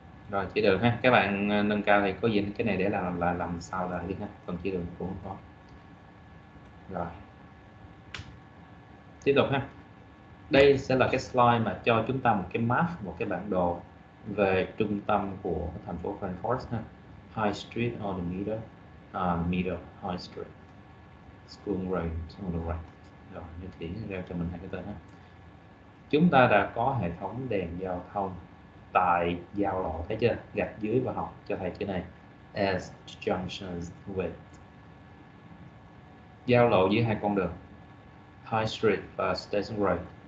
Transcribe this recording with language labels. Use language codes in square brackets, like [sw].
[vi] Rồi chỉ đường ha, các bạn nâng cao thì có gì cái này để làm là làm sao là đi ha, phần chỉ đường cũng có. Rồi. Tiếp tục ha. Đây sẽ là cái slide mà cho chúng ta một cái map, một cái bản đồ về trung tâm của thành phố Frankfurt ha. [en] High Street on the middle, middle High Street. School Road on the right. [vi] Rồi, như chỉ ra cho mình hai cái tên đó. Chúng ta đã có hệ thống đèn giao thông tại giao lộ, thấy chưa? Gạch dưới và học cho thầy chữ này. [en] As junctions with. [vi] Giao lộ giữa hai con đường. High Street và Station Road.